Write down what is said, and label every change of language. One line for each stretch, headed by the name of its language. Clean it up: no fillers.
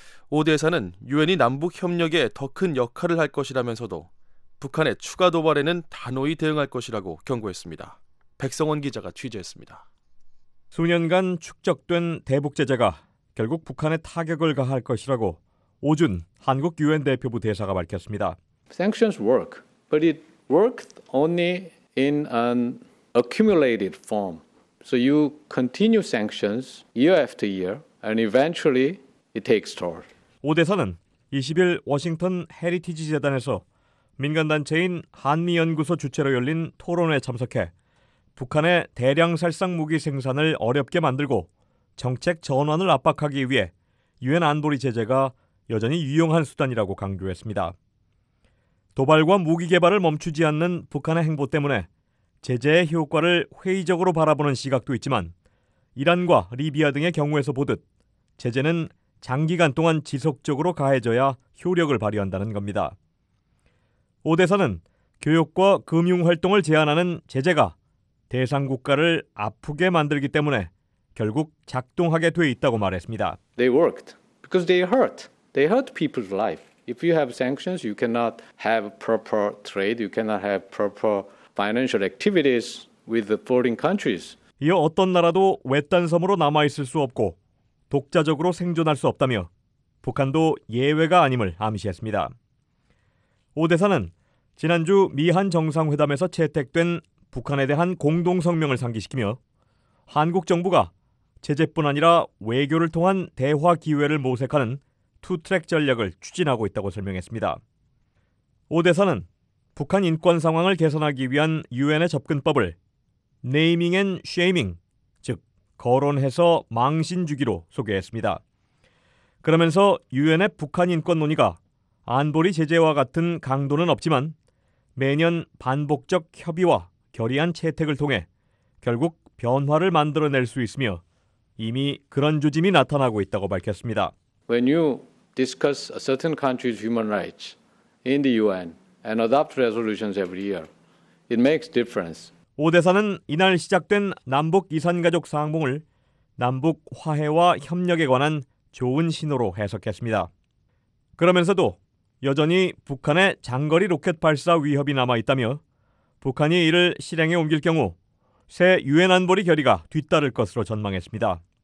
Korean: 오 대사는 유엔이 남북 협력에 더 큰 역할을 할 것이라면서도 북한의 추가 도발에는 단호히 대응할 것이라고 경고했습니다. 백성원 기자가 취재했습니다. 수년간 축적된 대북 제재가 결국 북한의 타격을 가할 것이라고 오준 한국 유엔 대표부 대사가 밝혔습니다.
English: Sanctions work, but it worked only in an accumulated form. So you continue sanctions year after year, and eventually it takes toll.
Korean: 오 대사는 20일 워싱턴 헤리티지 재단에서 민간단체인 한미연구소 주최로 열린 토론회에 참석해 북한의 대량 살상 무기 생산을 어렵게 만들고 정책 전환을 압박하기 위해 유엔 안보리 제재가 여전히 유용한 수단이라고 강조했습니다. 도발과 무기 개발을 멈추지 않는 북한의 행보 때문에 제재의 효과를 회의적으로 바라보는 시각도 있지만 이란과 리비아 등의 경우에서 보듯 제재는 장기간 동안 지속적으로 가해져야 효력을 발휘한다는 겁니다. 오 대사는 교육과 금융활동을 제한하는 제재가 대상 국가를 아프게 만들기 때문에 결국 작동하게 돼 있다고 말했습니다.
English: They worked because they hurt. They hurt people's life. If you have sanctions, you cannot have proper trade. You cannot have proper financial activities with the foreign countries.
Korean: 이어 어떤 나라도 외딴섬으로 남아있을 수 없고 독자적으로 생존할 수 없다며 북한도 예외가 아님을 암시했습니다. 오 대사는 지난주 미한 정상회담에서 채택된 북한에 대한 공동성명을 상기시키며 한국 정부가 제재뿐 아니라 외교를 통한 대화 기회를 모색하는 투트랙 전략을 추진하고 있다고 설명했습니다. 오 대사는 북한 인권 상황을 개선하기 위한 유엔의 접근법을 네이밍 앤 쉐이밍, 즉 거론해서 망신 주기로 소개했습니다. 그러면서 유엔의 북한 인권 논의가 안보리 제재와 같은 강도는 없지만 매년 반복적 협의와 결의안 채택을 통해 결국 변화를 만들어낼 수 있으며 이미 그런 조짐이 나타나고 있다고 밝혔습니다.
English: When you discuss a certain country's human rights in the UN and adopt resolutions every year, it makes difference.
Korean: 오 대사는 이날 시작된 남북 이산가족 상봉을 남북 화해와 협력에 관한 좋은 신호로 해석했습니다. 그러면서도 여전히 북한의 장거리 로켓 발사 위협이 남아있다며 북한이 이를 실행에 옮길 경우 새 유엔 안보리 결의가 뒤따를 것으로 전망했습니다.